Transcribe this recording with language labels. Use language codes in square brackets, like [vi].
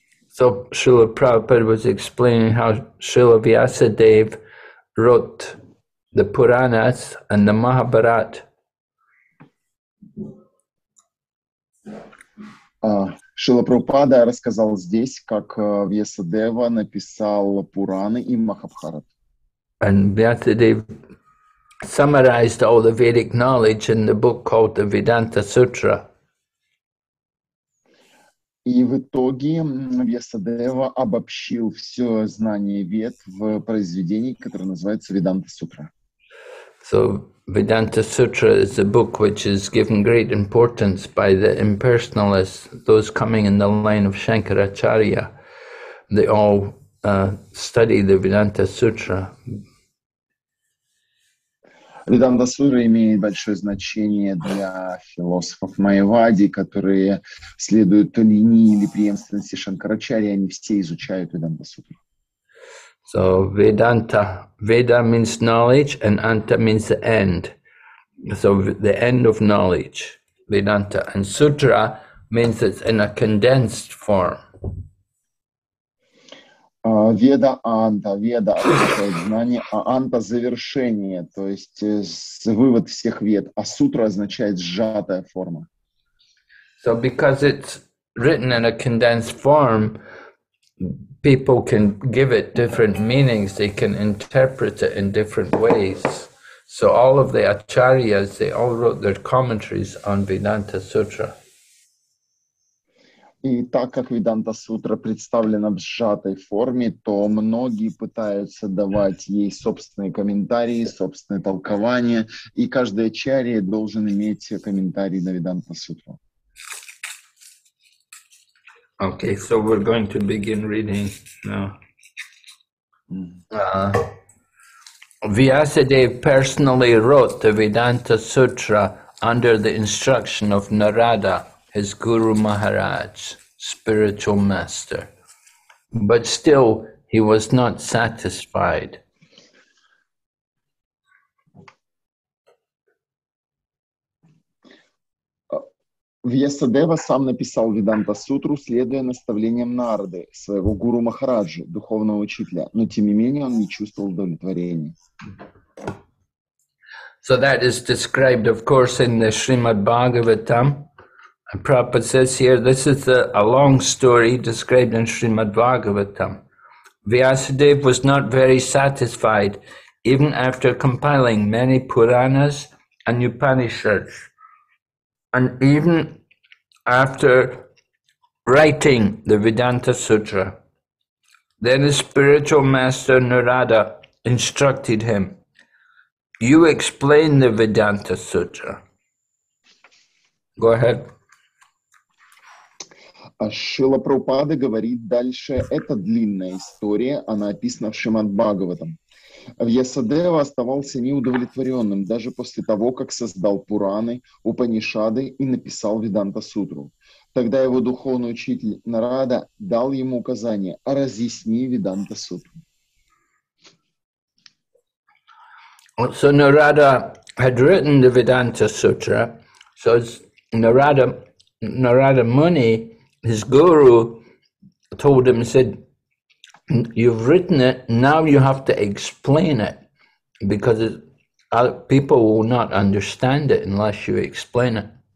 [en] So Шрила Прабхупада was explaining how Шрила Вьясадева wrote the Puranas and the Mahabharat. [ru] Шрила Прабхупада рассказал здесь, как Вьясадева написал Пураны и Махабхарат. [en] And Vyasadeva summarized all the Vedic knowledge in the book called the Vedanta Sutra. [ru] И в итоге Вьясадева обобщил все знание Вед в произведении, которое называется Vedanta Sutra. [en] So Vedanta Sutra is a book which is given great importance by the impersonalists, those coming in the line of Shankaracharya. They all study the Vedanta Sutra. [ru] Vedanta Sutra имеет большое значение для философов Майявади, которые следуют линии или преемственности Шанкарачари, они все изучают Vedanta Sutra. [en] So Vedanta, Veda means knowledge and Anta means the end. So the end of knowledge, Vedanta. And Sutra means it's in a condensed form. [ru] Веда Анта, Веда означает знание, а Анта – завершение, то есть вывод всех вед, а Сутра означает сжатая форма. [en] So because it's written in a condensed form, people can give it different meanings, they can interpret it in different ways. So all of the Acharyas, they all wrote their commentaries on Vedanta Sutra. [ru] И так как Vedanta Sutra представлена в сжатой форме, то многие пытаются давать ей собственные комментарии, собственные толкования, и каждый ачарья должен иметь комментарий на Vedanta Sutra. [en] Okay, so we're going to begin reading now. Vyasadeva personally wrote the Vedanta Sutra under the instruction of Narada, his Guru Maharaj, spiritual master. But still, he was not satisfied. [ru] Вьясадева сам написал Веданта Сутру, следуя наставлениям Нарды, своего гуру Махараджи, духовного учителя, но тем не менее он не чувствовал удовлетворения. [en] So that is described, of course, in the Srimad Bhagavatam. Prabhupada says here, this is a long story described in Srimad Bhagavatam. Vyasadeva was not very satisfied. even after compiling many Puranas and Upanishads, and even after writing the Vedanta Sutra. Then his spiritual master Narada instructed him, "You explain the Vedanta Sutra." Go ahead. [ru] Шрила Прабхупада говорит дальше, это длинная история, она описана в Шримад-Бхагаватам. Вьясадева оставался неудовлетворенным даже после того, как создал Пураны, Упанишады и написал Веданта-сутру. Тогда его духовный учитель Нарада дал ему указание, разъясни Веданта-сутру. [en] So Narada had written the Vedanta Sutra, so Narada Muni, his guru, told him, said, you've written it, now you have to explain it, because people will not understand it unless you explain it.